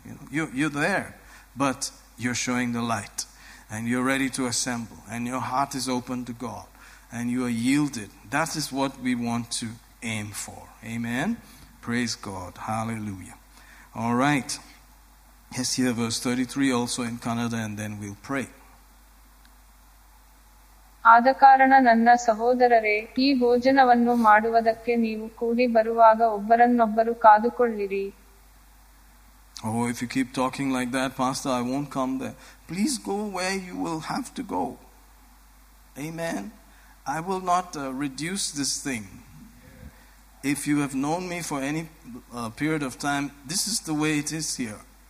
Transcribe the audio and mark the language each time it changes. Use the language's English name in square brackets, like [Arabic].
[English] You're there, but you're showing the light and you're ready to assemble and your heart is open to God and you are yielded. That is what we want to aim for. Amen. Praise God. Hallelujah. All right. Let's hear verse 33 also in Kannada and then we'll pray. [Kannada] ಆದ ಕಾರಣ ನನ್ನ ಸಹೋದರರೇ ಈ ಭೋಜನವನ್ನು ಮಾಡುವುದಕ್ಕೆ ನೀವು ಕೂಡಿ ಬರುವಾಗ ಒಬ್ಬರನ್ನೊಬ್ಬರು ಕಾದುಕೊಳ್ಳಿರಿ [English] Oh, if you keep talking like that, Pastor, I won't come there. Please go where you will have to go. Amen. I will not reduce this thing. If you have known me for any period of time, this is the way it is here.